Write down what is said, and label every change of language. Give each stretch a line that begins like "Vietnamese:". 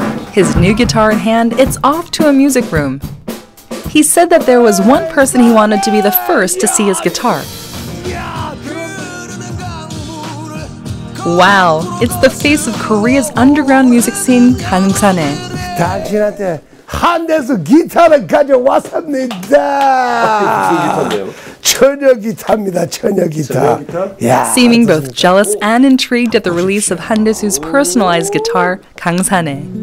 English: His new guitar in hand, it's off to a music room. He said that there was one person he wanted to be the first to see his guitar. Wow, it's the face of Korea's underground music scene, Hahn Chang-suk.
Korean: 당신한테 한 대서 기타를 가져왔습니다. 처녀 기타입니다, 처녀 기타.
English: Seeming both jealous and intrigued at the release of Hahn Dae-soo's personalized guitar, 강산에.